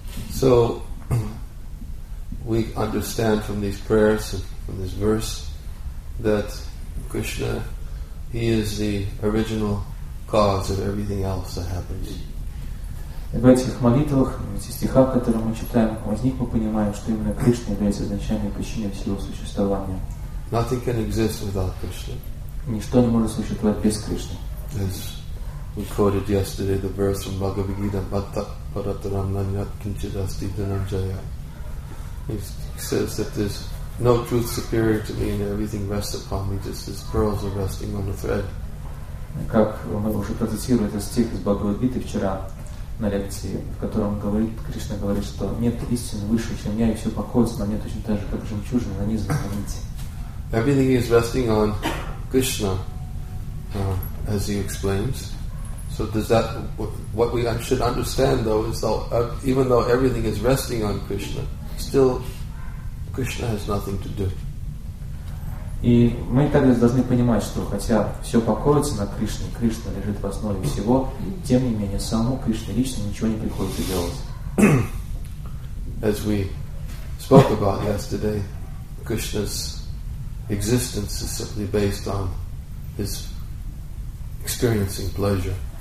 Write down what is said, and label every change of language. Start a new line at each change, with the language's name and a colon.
English: So we understand from these prayers and from this verse that Krishna, He is the original cause of everything else that happens.
Russian: В этих молитвах, в этих стихах, которые мы читаем, из них мы понимаем, что именно Кришна является изначальной причиной всего существования.
English: Nothing can exist without Krishna.
Russian: Ничто не может существовать без Кришны.
English: We quoted yesterday the verse from Bhagavad Gita,
Sanskrit: Bhatta Parataram Nanyat Kinchidasti Dhananjaya.
English: He says that there's no truth superior to me and everything rests upon me just as pearls are resting on a thread.
Russian: Как мы уже процитировали этот стих из Бхагавад Гиты вчера на лекции, в котором говорит, Кришна говорит, что нет истины выше, чем я, и все покоится на мне точно так же, как жемчужина нанизана на нити.
English: Everything is resting on Krishna, as he explains. So does that, what we should understand though is that even though everything is resting on Krishna, still Krishna has nothing to do.
Russian: И мы также должны понимать, что хотя все покоится на Кришне, Кришна лежит в основе всего, тем не менее саму Кришне лично ничего не приходится делать.
English: As we spoke about yesterday, Krishna's existence is simply based on his experiencing pleasure.